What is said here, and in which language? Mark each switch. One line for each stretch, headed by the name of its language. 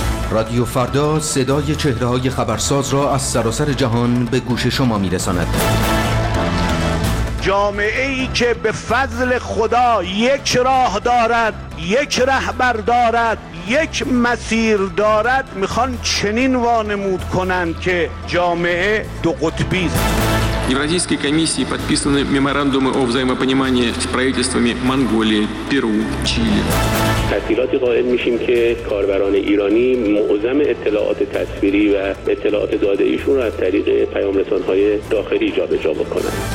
Persian: رادیو فردا صدای چهره‌های خبرساز را از سراسر جهان به گوش شما می‌رساند. جامعه‌ای که به فضل خدا یک راه دارد، یک رهبر دارد، یک مسیر دارد میخوان چنین وانمود کنند که جامعه دو قطبی است.
Russian: Евразийской комиссии подписаны меморандумы о взаимопонимании с правительствами Монголии, Перу, Чили.
Persian: تحصیلاتی قائل میشیم که کاربران ایرانی معظم اطلاعات تصویری و اطلاعات داده ایشون را از طریق پیام‌رسان‌های داخلی جابجا بکنند.